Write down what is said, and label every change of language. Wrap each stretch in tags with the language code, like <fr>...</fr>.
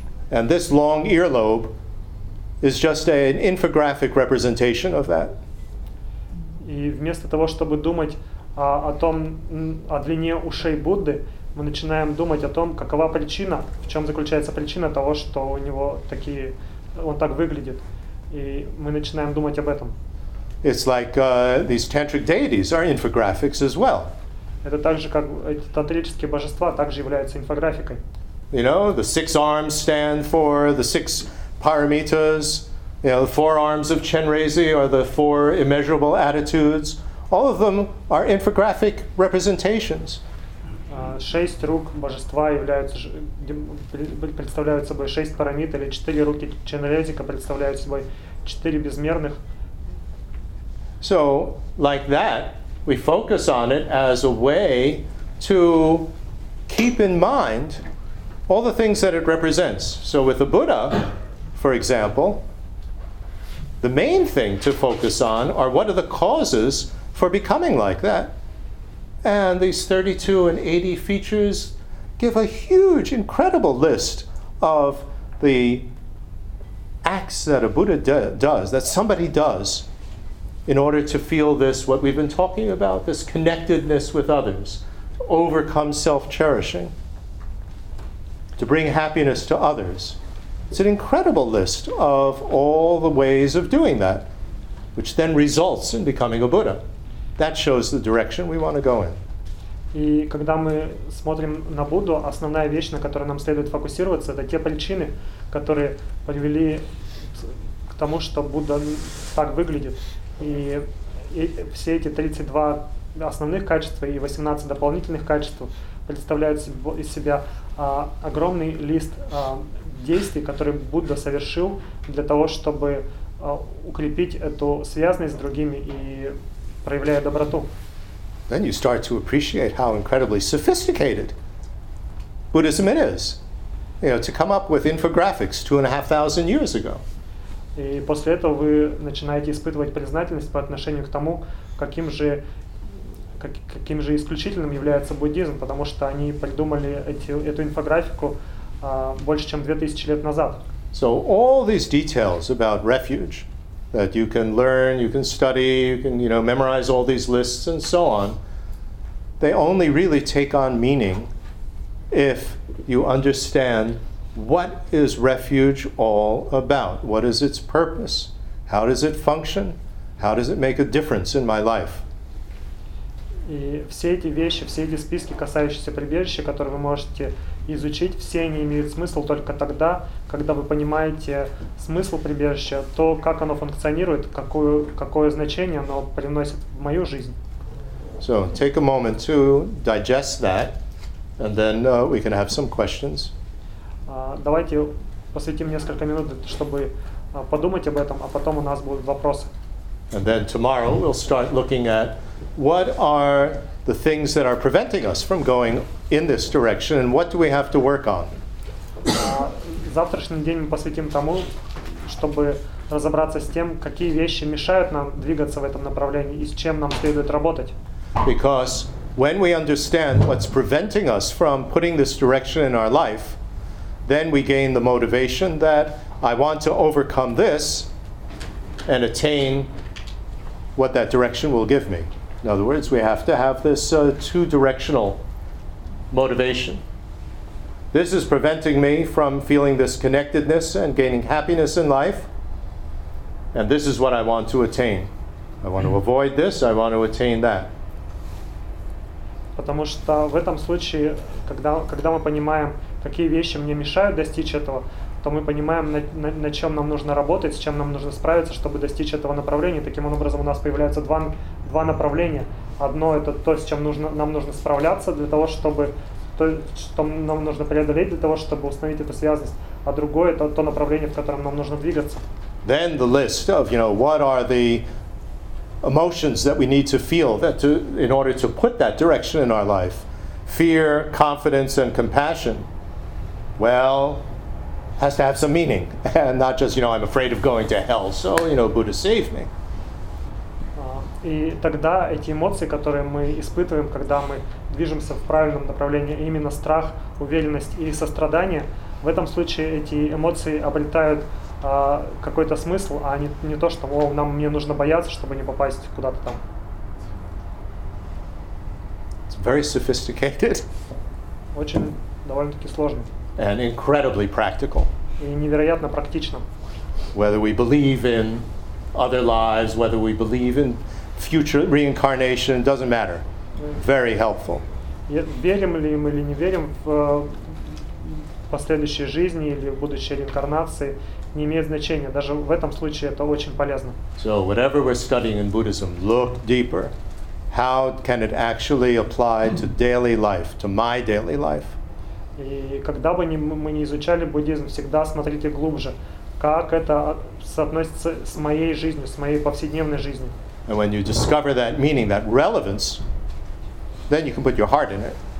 <en>And this long earlobe is just an infographic representation of that.</en> <ru>И вместо того, чтобы думать о длине ушей Будды, мы начинаем думать о том, какова причина, в чем заключается причина того, что у него такие, он так выглядит. И мы начинаем думать об этом.</ru> <en>It's like these tantric deities are infographics as well.</en> <ru>Это также как эти тантрические божества также являются инфографикой.</ru> <en>You know, the six arms stand for the six paramitas. You know, the four arms of Chenrezig are the four immeasurable attitudes. All of them are infographic representations.</en> <ru>Шесть рук божества представляют собой шесть парамит, или четыре руки Ченрезика представляют собой четыре безмерных.</ru> <en>So, like that, we focus on it as a way to keep in mind all the things that it represents. So with the Buddha, for example, the main thing to focus on are what are the causes for becoming like that. And these 32 and 80 features give a huge, incredible list of the acts that a Buddha does, that somebody does, in order to feel this, what we've been talking about, this connectedness with others, to overcome self-cherishing, to bring happiness to others. It's an incredible list of all the ways of doing that, which then results in becoming a Buddha. That shows the direction we want to go in.</en> <ru>И когда мы смотрим на Будду, основная вещь, на которой нам следует фокусироваться, это те причины, которые привели к тому, что Будда так выглядит. И все эти 32 основных качества и 18 дополнительных качеств представляют из себя огромный лист действий, которые Будда совершил для того, чтобы укрепить эту связность с другими и проявляя доброту.</ru> <en>Then you start to appreciate how incredibly sophisticated Buddhism it is. You know, to come up with infographics 2,500 years ago.</en> <ru>И после этого вы начинаете испытывать признательность по отношению к тому, каким же исключительным является буддизм, потому что они придумали эту инфографику больше чем 2000 лет назад.</ru> <en>So all these details about refuge that you can learn, you can study, you can, you know, memorize all these lists and so on, they only really take on meaning if you understand what is refuge all about? What is its purpose? How does it function? How does it make a difference in my life?</en> <ru>И все эти вещи, все эти списки, касающиеся прибежища, которые вы можете изучить, все они имеют смысл только тогда, когда вы понимаете смысл прибежища, то, как оно функционирует, какое значение оно приносит в мою жизнь.</ru> <en>So, take a moment to digest that, and then we can have some questions.</en> <ru>Давайте посвятим несколько минут, чтобы подумать об этом, а потом у нас будут вопросы.</ru> <en>And then tomorrow we'll start looking at what are the things that are preventing us from going in this direction and what do we have to work on.</en> <ru>Завтрашний день мы посвятим тому, чтобы разобраться с тем, какие вещи мешают нам двигаться в этом направлении и с чем нам следует работать.</ru> <en>Because when we understand what's preventing us from putting this direction in our life, then we gain the motivation that I want to overcome this and attain what that direction will give me. In other words, we have to have this two-directional motivation. This is preventing me from feeling this connectedness and gaining happiness in life, and this is what I want to attain. I want to avoid this, I want to attain that.</en> <ru>Потому что в этом случае, когда мы понимаем, какие вещи мне мешают достичь этого, то мы понимаем, на чем нам нужно работать, с чем нам нужно справиться, чтобы достичь этого направления. Таким образом, у нас появляются два направления. Одно – это то, с чем нам нужно справляться, для того, чтобы, то, что нам нужно преодолеть для того, чтобы установить эту связность. А другое – это то направление, в котором нам нужно двигаться.</ru> <en>Then the list of, you know, what are the emotions that we need to feel that to, in order to put that direction in our life. Fear, confidence, and compassion. Well, has to have some meaning. And not just, you know, I'm afraid of going to hell, so, you know, Buddha save me.</en> <ru>И тогда эти эмоции, которые мы испытываем, когда мы движемся в правильном направлении, именно страх, уверенность и сострадание, в этом случае эти эмоции обретают какой-то смысл, а не то, что нам мне нужно бояться, чтобы не попасть куда-то там.</ru> <en>It's very sophisticated.</en> <ru>Очень довольно-таки сложно.</ru> <en>And incredibly practical.</en> <ru>И невероятно практично.</ru> <en>Whether we believe in other lives, whether we believe in future reincarnation, doesn't matter. Very helpful.</en> <ru>Верим ли мы или не верим в последующей жизни или в будущей реинкарнации, не имеет значения. Даже в этом случае это очень полезно.</ru> <en>So, whatever we're studying in Buddhism, look deeper. How can it actually apply to daily life, to my daily life?</en> <ru>И когда бы мы не изучали буддизм, всегда смотрите глубже, как это соотносится с моей жизнью, с моей повседневной жизнью.</ru> <en>And when you discover that meaning, that relevance, then you can put your heart in it.</en>